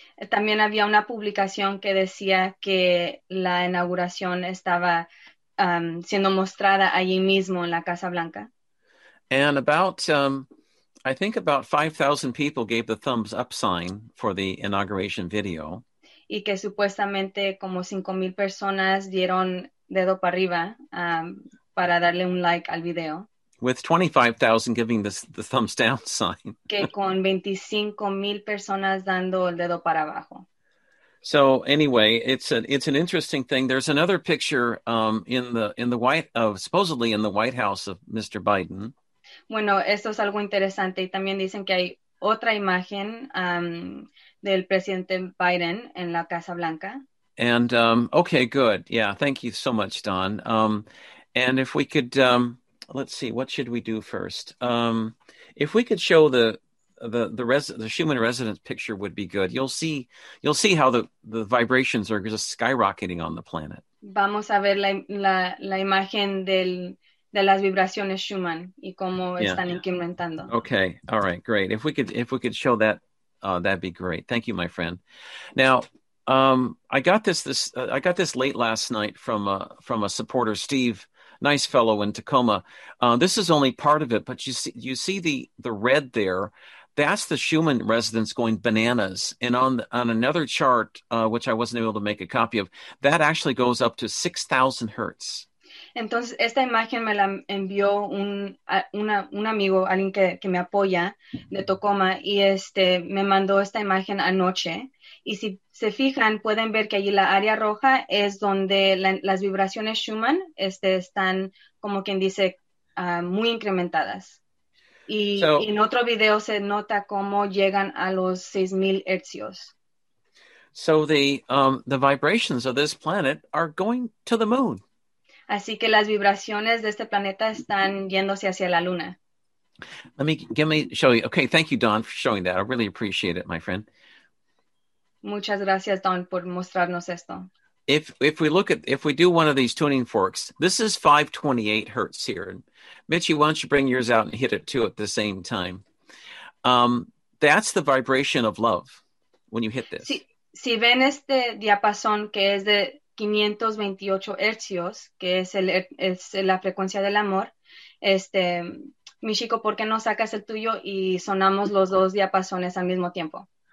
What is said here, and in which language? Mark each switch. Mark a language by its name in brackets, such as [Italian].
[Spanish] También había una publicación que decía que la inauguración estaba siendo mostrada allí mismo en la Casa Blanca. [English] And about, I think about 5,000 people gave the thumbs up sign for the inauguration video. [Spanish] Y que supuestamente como 5,000 personas dieron dedo para arriba para darle un like al video. [English] With 25,000 giving the thumbs down sign. [Spanish] Que con 25,000 personas dando el dedo para abajo. [English] So anyway, it's an interesting thing. There's another picture supposedly in the White House of Mr. Biden. [Spanish] Bueno, esto es algo interesante. Y también dicen que hay otra imagen del presidente Biden en la Casa Blanca. [English] And okay, good. Yeah, thank you so much, Don. And if we could, let's see, what should we do first? If we could show the Schumann residence picture would be good. You'll see how the vibrations are just skyrocketing on the planet. [Spanish] Vamos a ver la imagen de las vibraciones Schumann y cómo están incrementando. [English] Okay, all right, great. If we could show that, that'd be great. Thank you, my friend. Now, I got this late last night from a supporter, Steve, nice fellow in Tacoma. This is only part of it, but you see the red there. That's the Schumann residence going bananas. And on another chart, which I wasn't able to make a copy of, that actually goes up to 6,000 hertz. [Spanish] Entonces, esta imagen me la envió un amigo, alguien que me apoya de Tacoma, y me mandó esta imagen anoche. Y si se fijan, pueden ver que allí la área roja es donde las vibraciones Schumann están, como quien dice, muy incrementadas. Y, so, y en otro video se nota cómo llegan a los 6,000 hercios. [English] So the vibrations of this planet are going to the moon. [Spanish] Así que las vibraciones de este planeta están yéndose hacia la luna. [English] Let me show you. Okay, thank you, Don, for showing that. I really appreciate it, my friend. [Spanish] Muchas gracias, Don, por mostrarnos esto. [English] If we do one of these tuning forks, this is 528 hertz here. Mitchy, why don't you bring yours out and hit it too at the same time? That's the vibration of love when you hit this. [Spanish] Sí. si ven este diapasón que es de 528 hercios, que es la frecuencia del amor, Michiko, ¿por qué no sacas el tuyo y sonamos los dos diapasones al mismo tiempo?